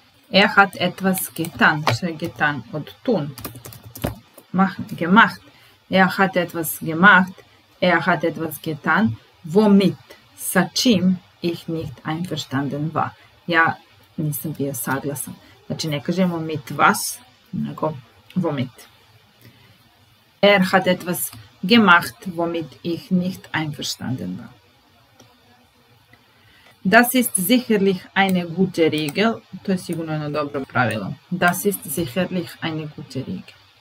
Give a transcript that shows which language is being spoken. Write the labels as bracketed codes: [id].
[de] Er hat etwas getan, getan und tun, gemacht. Er hat etwas gemacht, er hat etwas getan, womit Sachim ich nicht einverstanden war. [sr] Ja, nisam bio saglasan. Znači, ne kažemo mit was, nego womit. [de] Er hat etwas gemacht, womit ich nicht einverstanden war. Das ist sicherlich eine gute Regel. [sr] To je sigurno jedno dobro pravilo. [de] Das ist sicherlich eine gute Regel.